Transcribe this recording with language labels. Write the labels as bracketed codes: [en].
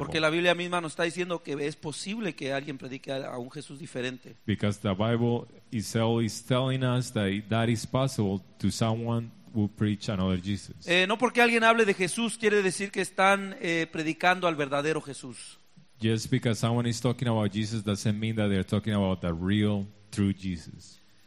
[es] Porque la Biblia misma nos está diciendo que es posible que alguien predique a un Jesús diferente. [en] Because the Bible itself is telling us that is possible to someone who preach another Jesus. [es] No porque alguien hable de Jesús quiere decir que están predicando al verdadero Jesús. [en] Just because someone is talking about Jesus doesn't mean that they're talking about the real, true Jesus.